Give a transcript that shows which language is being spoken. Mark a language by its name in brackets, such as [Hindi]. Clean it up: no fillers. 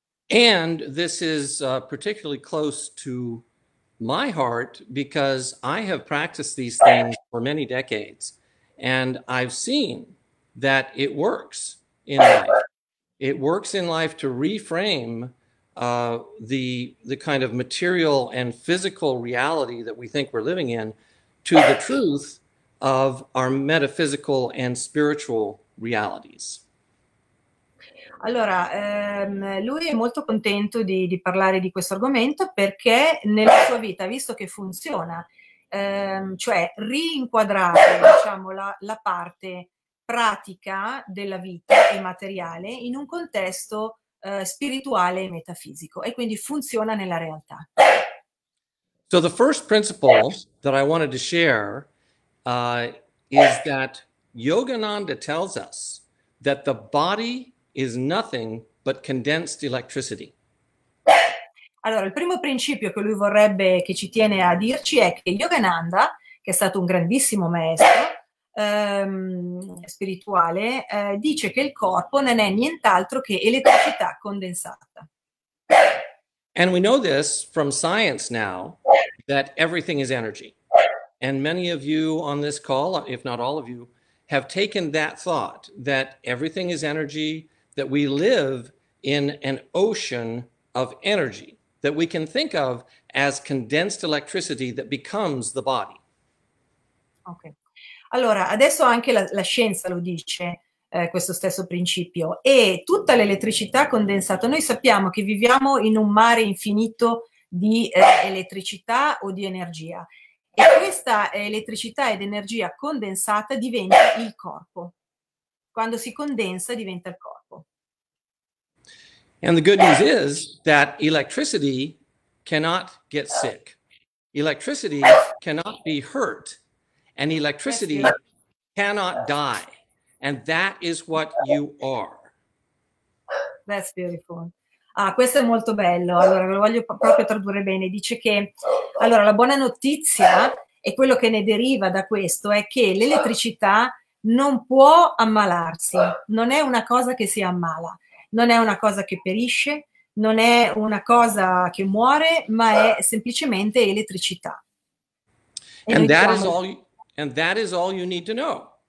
[English] And this is particularly close to my heart because I have practiced these things for many decades, and I've seen that it works in life. It works in life to reframe the kind of material and physical reality that we think we're living in to the truth of our metaphysical and spiritual realities. [Italian] Allora, lui è molto contento di parlare di questo argomento perché nella sua vita ha visto che funziona, cioè rinquadrare, diciamo, la parte pratica della vita e materiale in un contesto, spirituale e metafisico, e quindi funziona nella realtà. [English] So the first principle that I wanted to share is that Yogananda tells us that the body is nothing but condensed electricity. [Italian] Allora, il primo principio che lui vorrebbe, che ci tiene a dirci è che Yogananda, che è stato un grandissimo maestro spirituale, dice che il corpo non è nient'altro che elettricità condensata. [English] And we know this from science now that everything is energy. And many of you on this call, if not all of you, have taken that thought that everything is energy, that we live in an ocean of energy that we can think of as condensed electricity that becomes the body. [Italian] Allora, adesso anche la scienza lo dice, questo stesso principio, e tutta l'elettricità condensata, noi sappiamo che viviamo in un mare infinito di elettricità o di energia, e questa elettricità ed energia condensata diventa il corpo. Quando si condensa diventa il corpo. [English] And the good news is that electricity cannot get sick. Electricity cannot be hurt. And That's beautiful. electricity cannot die. And that is what you are. That's beautiful. [Italian] Ah, questo è molto bello. Allora, lo voglio proprio tradurre bene. Dice che, allora, la buona notizia e quello che ne deriva da questo è che l'elettricità non può ammalarsi, non è una cosa che si ammala, non è una cosa che perisce, non è una cosa che muore, ma è semplicemente elettricità. [English] And that is all you need to know.